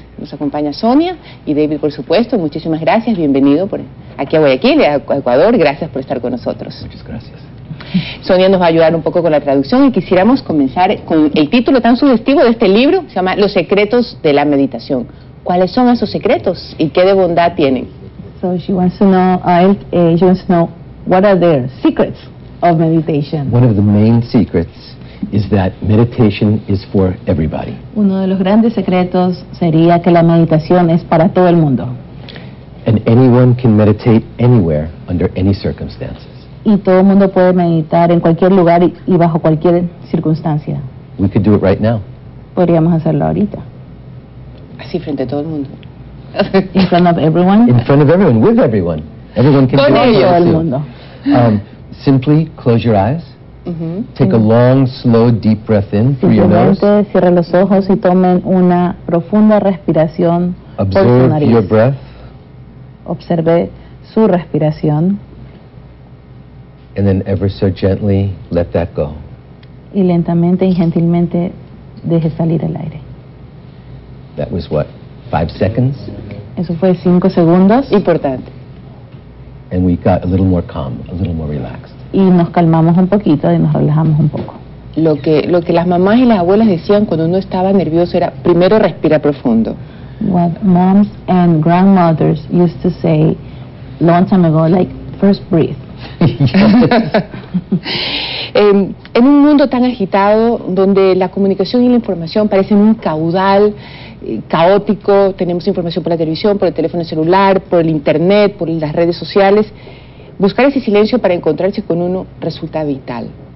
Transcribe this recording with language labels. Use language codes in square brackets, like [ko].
[es] Nos acompaña Sonia y David, por supuesto. Muchísimas gracias, bienvenido por aquí a Guayaquil, a Ecuador. Gracias por estar con nosotros. Muchas gracias. Sonia nos va a ayudar un poco con la traducción y quisiéramos comenzar con el título tan sugestivo de este libro, se llama Los secretos de la meditación. ¿Cuáles son esos secretos y qué de bondad tienen? [en] So she wants to know, she wants to know what are their secrets of meditation. One of the main secrets is that meditation is for everybody. [es] Uno de los grandes secretos sería que la meditación es para todo el mundo. [en] And anyone can meditate anywhere under any circumstances. [es] Y todo el mundo puede meditar en cualquier lugar y bajo cualquier circunstancia. [en] We could do it right now. [es] Podríamos hacerlo ahorita. Así frente a todo el mundo. [en] In front of everyone. In front of everyone, with everyone. Everyone can [es] con [en] do [es] ellos. [en] It. [es] Todo el mundo. [en] Simply close your eyes. Mm-hmm. Take mm-hmm. a long, slow, deep breath in through your nose. [es] Cierren los ojos y tomen una profunda respiración [en] Observe [es] por su nariz. [en] Observe your breath. [es] Observe su respiración. [en] And then ever so gently let that go. [es] Y lentamente y gentilmente deje salir el aire. [en] That was what? 5 seconds? [es] Eso fue 5 segundos. Importante. [en] And we got a little more calm, a little more relaxed. [es] Y nos calmamos un poquito y nos relajamos un poco. Lo que las mamás y las abuelas decían cuando uno estaba nervioso era, primero respira profundo. [en] What moms and grandmothers used to say long time ago, like, first breathe. [es] En un mundo tan agitado, donde la comunicación y la información parecen un caudal caótico, tenemos información por la televisión, por el teléfono celular, por el internet, por las redes sociales, buscar ese silencio para encontrarse con uno resulta vital.